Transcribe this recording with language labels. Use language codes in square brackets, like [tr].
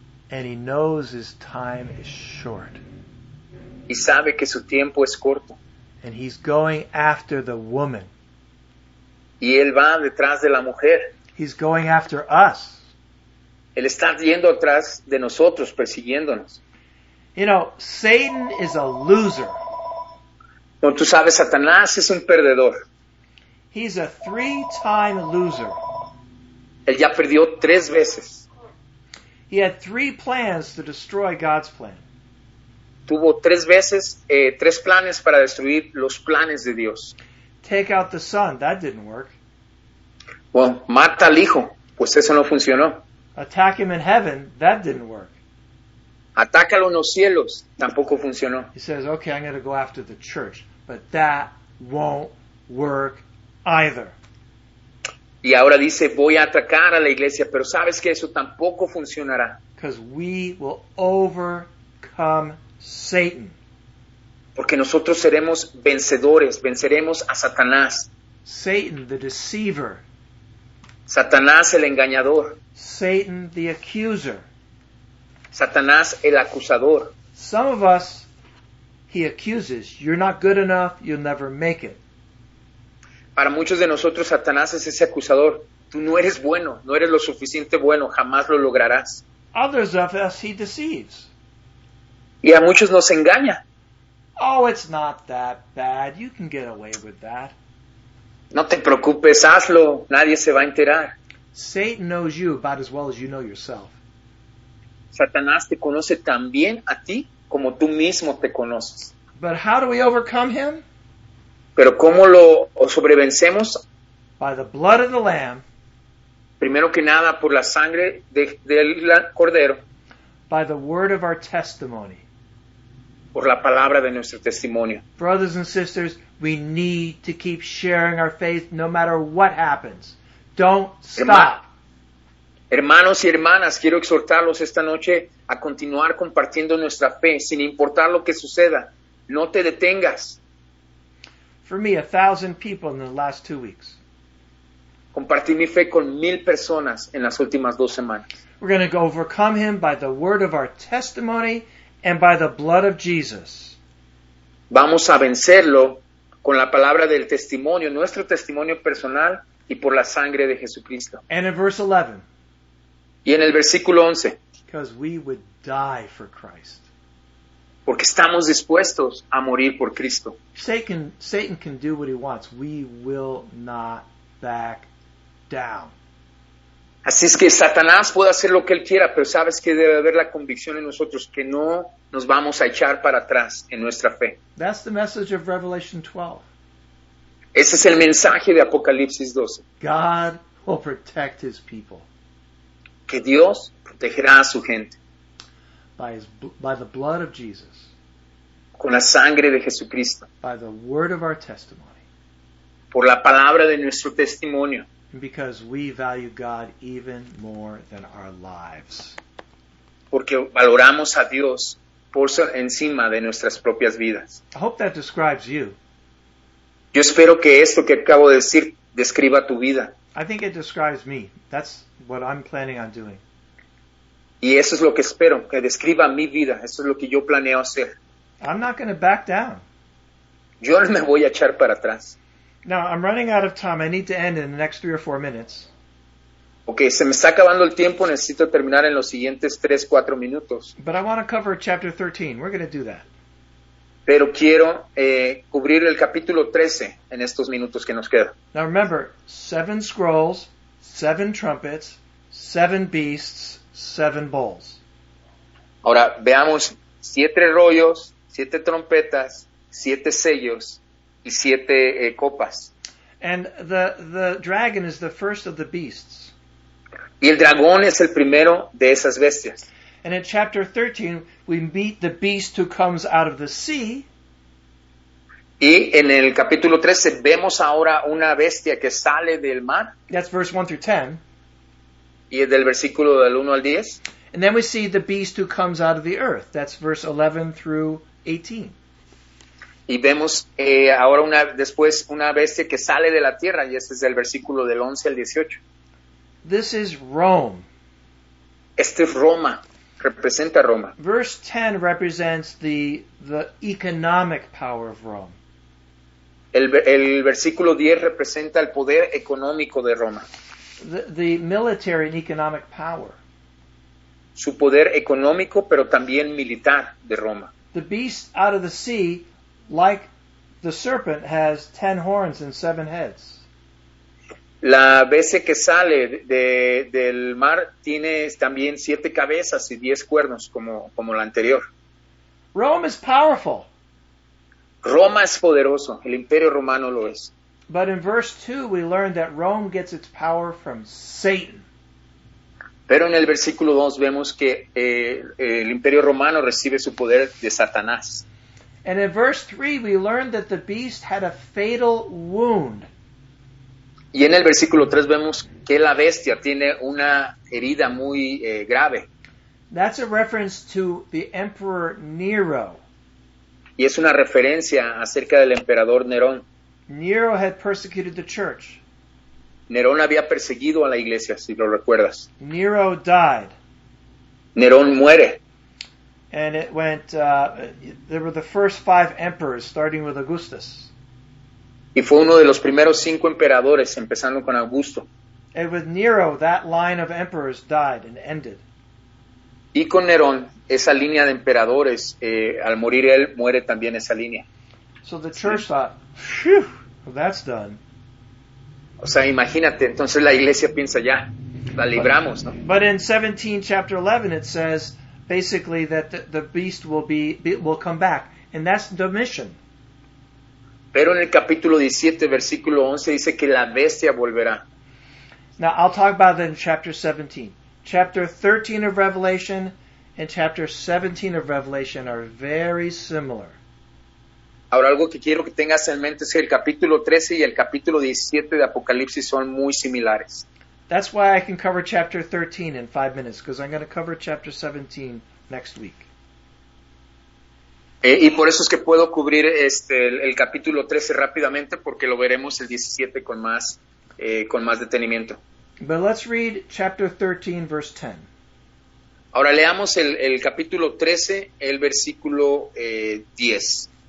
[en] And he knows his time is short. [es] Y sabe que su tiempo es corto. [en] And he's going after the woman. [es] Y él va detrás de la mujer. [en] He's going after us. [es] Él está yendo atrás de nosotros, persiguiéndonos. [en] You know, Satan is a loser. [es] No, tú sabes, Satanás es un perdedor. [en] He's a three-time loser. [es] Él ya perdió tres veces. [en] He had three plans to destroy God's plan. [es] Tuvo tres veces, tres planes para destruir los planes de Dios. [en] Take out the son. That didn't work. [es] Well, mata al hijo. Pues eso no funcionó. [en] Attack him in heaven. That didn't work. [es] Atácalo en los cielos. Tampoco funcionó. [en] He says, okay, I'm going to go after the church. But that won't work either. [es] Y ahora dice, voy a atacar a la iglesia. Pero sabes que eso tampoco funcionará. [en] Because we will overcome Satan. [es] Porque nosotros seremos vencedores. Venceremos a Satanás. [en] Satan, the deceiver. [es] Satanás, el engañador. [en] Satan, the accuser. [es] Satanás, el acusador. [en] Some of us, he accuses. You're not good enough, you'll never make it. [es] Para muchos de nosotros, Satanás es ese acusador. Tú no eres bueno, no eres lo suficiente bueno, jamás lo lograrás. [en] Others of us, he deceives. [es] Y a muchos nos engaña. [en] Oh, it's not that bad. You can get away with that. [es] No te preocupes, hazlo. Nadie se va a enterar. [en] Satan knows you about as well as you know yourself. [es] Satanás te conoce tan bien a ti como tú mismo te conoces. [en] But how do we overcome him? [es] Pero ¿cómo lo sobrevencemos? [en] By the blood of the Lamb. [es] Primero que nada, por la sangre del Cordero. [en] By the word of our testimony. [es] Por la palabra de nuestro testimonio. [en] Brothers and sisters, we need to keep sharing our faith no matter what happens. Don't stop. [es] Hermanos y hermanas, quiero exhortarlos esta noche a continuar compartiendo nuestra fe, sin importar lo que suceda. No te detengas. [en] For me, 1,000 people in the last 2 weeks. [es] Compartí mi fe con 1,000 personas en las últimas 2 semanas. [en] We're going to overcome him by the word of our testimony and by the blood of Jesus. [es] Vamos a vencerlo con la palabra del testimonio, nuestro testimonio personal y por la sangre de Jesucristo. [en] And in verse 11. [es] Y en el versículo 11. [en] Because we would die for Christ. [es] Porque estamos dispuestos a morir por Cristo. [en] Satan can do what he wants. We will not back down. [es] Así es que Satanás puede hacer lo que él quiera, pero sabes que debe haber la convicción en nosotros que no nos vamos a echar para atrás en nuestra fe. [en] That's the message of Revelation 12. [es] Ese es el mensaje de Apocalipsis 12. [en] God will protect his people. [es] Que Dios protegerá a su gente. [en] By the blood of Jesus. [es] Con la sangre de Jesucristo. [en] By the word of our testimony. [es] Por la palabra de nuestro testimonio. [en] Because we value God even more than our lives. [es] Porque valoramos a Dios por encima de nuestras propias vidas. [en] I hope that describes you. [es] Yo espero que esto que acabo de decir describa tu vida. [en] I think it describes me. That's what I'm planning on doing. [es] Y eso es lo que espero, que describa mi vida. Eso es lo que yo planeo hacer. [en] I'm not going to back down. [es] Yo no me voy a echar para atrás. [en] Now, I'm running out of time. I need to end in the next 3 or 4 minutes. [es] Okay, se me está acabando el tiempo. Necesito terminar en los siguientes 3-4 minutos. [en] But I want to cover chapter 13. We're going to do that. [es] Pero quiero cubrir el capítulo 13 en estos minutos que nos quedan. [en] Now, remember, 7 scrolls, 7 trumpets, 7 beasts, 7 bowls. [es] Ahora, veamos 7 rollos, 7 trompetas, 7 sellos. Y 7 copas. [en] And the dragon is the first of the beasts. [es] Y el dragón es el primero de esas bestias. [en] And in chapter 13, we meet the beast who comes out of the sea. [es] Y en el capítulo 13, vemos ahora una bestia que sale del mar. [en] That's verse 1 through 10. [es] Y es del versículo del 1 al 10. [en] And then we see the beast who comes out of the earth. That's verse 11 through 18. [es] Y vemos ahora una, después una bestia que sale de la tierra, y este es el versículo del 11 al 18. [en] This is Rome. [es] Este es Roma, representa Roma. [en] Verse 10 represents the economic power of Rome. [es] El versículo 10 representa el poder económico de Roma. [en] The military and economic power. [es] Su poder económico, pero también militar de Roma. [en] The beast out of the sea, like the serpent, has 10 horns and 7 heads. [es] La bestia que sale del mar tiene también 7 cabezas y 10 cuernos, como la anterior. [en] Rome is powerful. [es] Roma es poderoso, el imperio romano lo es. [en] But in verse 2 we learn that Rome gets its power from Satan. [es] Pero en el versículo 2 vemos que el imperio romano recibe su poder de Satanás. [en] And in verse 3 we learn that the beast had a fatal wound. [es] Y en el versículo 3 vemos que la bestia tiene una herida muy grave. [en] That's a reference to the emperor Nero. [es] Y es una referencia acerca del emperador Nerón. [en] Nero had persecuted the church. [es] Nerón había perseguido a la iglesia, si lo recuerdas. [en] Nero died. [es] Nerón muere. [en] And it went, there were the first 5 emperors, starting with Augustus. [es] Y fue uno de los primeros 5 emperadores, empezando con Augusto. [en] And with Nero, that line of emperors died and ended. [es] Y con Nerón, esa línea de emperadores, al morir él, muere también esa línea. [en] So the church thought, phew, that's done. [es] O sea, imagínate, entonces la iglesia piensa, ya, la libramos, ¿no? [en] But in 17, chapter 11, it says, basically, that the beast will come back. And that's Domitian. [es] Pero en el capítulo 17, versículo 11, dice que la bestia volverá. [en] Now, I'll talk about that in chapter 17. Chapter 13 of Revelation and chapter 17 of Revelation are very similar. [es] Ahora, algo que quiero que tengas en mente es que el capítulo 13 y el capítulo 17 de Apocalipsis son muy similares. [en] That's why I can cover chapter 13 in 5 minutes, because I'm going to cover chapter 17 next week. [es] Y por eso es que puedo cubrir el capítulo 13 rápidamente, porque lo veremos el 17 con más detenimiento. [en] But let's read chapter 13, verse 10. [es] Ahora leamos el capítulo 13, el versículo 10.